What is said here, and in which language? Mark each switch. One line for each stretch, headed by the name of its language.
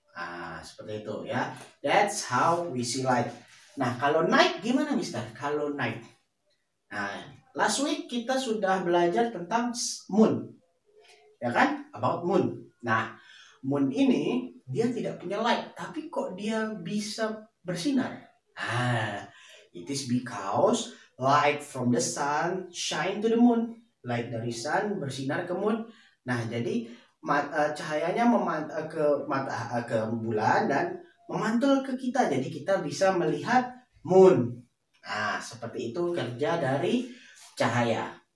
Indonesian: Nah, seperti itu, ya.
English: That's how we see light.
Indonesian: Nah, kalau night gimana, Mister? Kalau night, nah, last week kita sudah belajar tentang moon, ya kan?
English: About moon.
Indonesian: Nah, moon ini dia tidak punya light, tapi kok dia bisa bersinar?
English: Ah, it is because light from the sun shine to the moon.
Indonesian: Light dari sun bersinar ke moon. Nah, jadi cahayanya ke bulan dan memantul ke kita, jadi kita bisa melihat moon. Nah, seperti itu kerja dari cahaya.